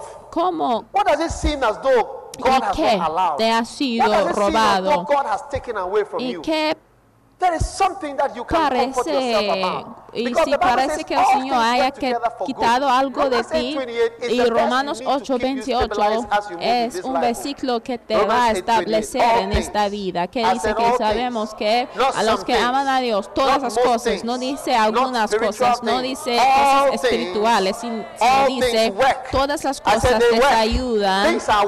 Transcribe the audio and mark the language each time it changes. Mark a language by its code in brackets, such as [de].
[es] ¿Cómo? ¿Y qué te ha sido robado? ¿Y qué [en] there is something that you can comfort yourself about. [es] Y si parece que el Señor haya quitado algo de ti, y Romanos 8:28 es un versículo que te va a establecer en esta vida, que dice que sabemos que a los que aman a Dios, todas las cosas, no dice algunas cosas, no dice cosas espirituales, sino dice todas las cosas les ayudan,